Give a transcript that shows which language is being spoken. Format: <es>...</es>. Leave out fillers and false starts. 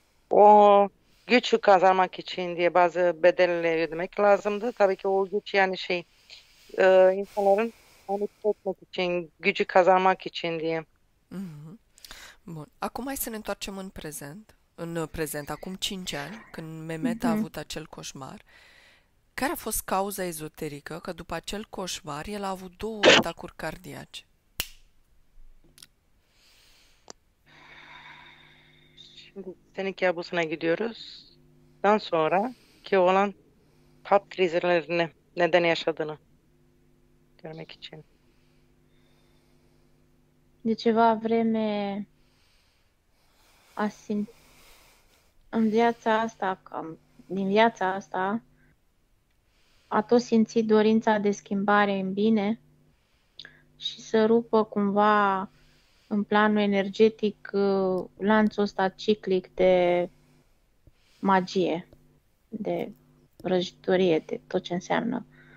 <tr>O güç kazanmak için diye bazı bedelleri ödemek lazımdı. Tabii ki o güç, yani şey, insanların manipüle etmek için, gücü kazanmak için diye.</tr> <ro>Bun. Acum hai să ne întoarcem în prezent. În prezent, acum 5 ani, când Mehmet a avut acel coșmar. Care a fost cauza ezoterică că după acel coșmar el a avut două atacuri cardiace?</ro> <tr>Şimdi senin kabusuna gidiyoruz. Daha sonra ki olan kalp krizlerini neden yaşadığını görmek için.</tr> <ro>De ceva vreme a simțit în viața asta, cam din viața asta, a tot simțit dorința de schimbare în bine și să rupă cumva în planul energetic lanțul ăsta ciclic de magie, de vrăjitorie, de tot ce înseamnă.</ro>